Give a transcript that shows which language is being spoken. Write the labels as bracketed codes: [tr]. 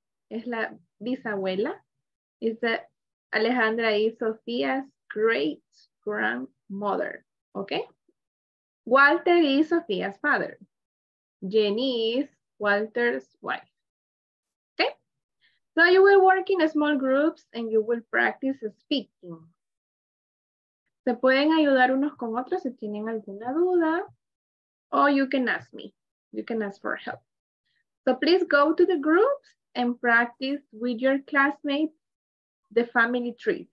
[es] Es la bisabuela. [en] Is that Alejandra is Sofia's great grandmother. Okay. Walter is Sofia's father. Jenny is Walter's wife. Okay. So you will work in small groups and you will practice speaking. [es] Se pueden ayudar unos con otros si tienen alguna duda. [en] Or you can ask me. You can ask for help. So please go to the groups and practice with your classmates the family tree.